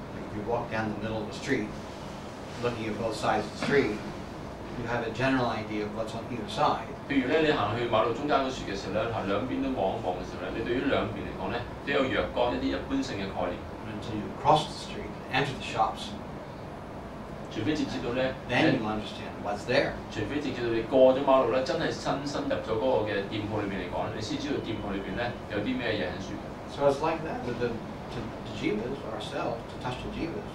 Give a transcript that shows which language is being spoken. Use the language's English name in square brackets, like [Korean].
[English] You walk down the middle of the street, looking at both sides of the street, you have a general idea of what's on either side. [Cantonese] 譬如咧，你行去馬路中間嗰處嘅時候咧，嚇兩邊都望一望嘅時候咧，你對於兩邊嚟講咧，都有若干一啲一般性嘅概念。 [English] Until you cross the street, enter the shops. [Cantonese] 除非直接到咧， [English] then you understand what's there. [Cantonese] 除非直接到你過咗馬路咧，真係親身入咗嗰個嘅店鋪裏邊嚟講，你先知道店鋪裏邊咧有啲咩嘢喺處。 [English] So it's like that with the jivas ourselves to touch the jivas.